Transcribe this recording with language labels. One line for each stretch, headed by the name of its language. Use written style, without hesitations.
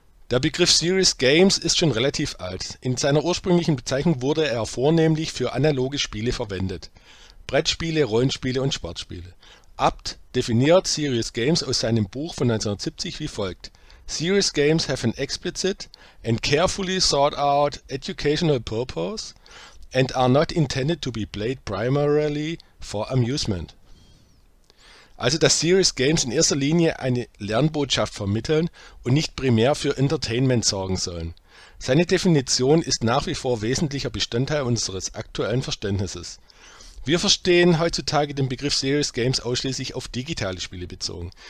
German: Der Begriff Serious Games ist schon relativ alt. In seiner ursprünglichen Bezeichnung wurde er vornehmlich für analoge Spiele verwendet. Brettspiele, Rollenspiele und Sportspiele. Abt definiert Serious Games aus seinem Buch von 1970 wie folgt.
English: Serious Games have an explicit and carefully thought out educational purpose and are not intended to be played primarily for amusement.
German: Also dass Serious Games in erster Linie eine Lernbotschaft vermitteln und nicht primär für Entertainment sorgen sollen. Seine Definition ist nach wie vor wesentlicher Bestandteil unseres aktuellen Verständnisses. Wir verstehen heutzutage den Begriff Serious Games ausschließlich auf digitale Spiele bezogen.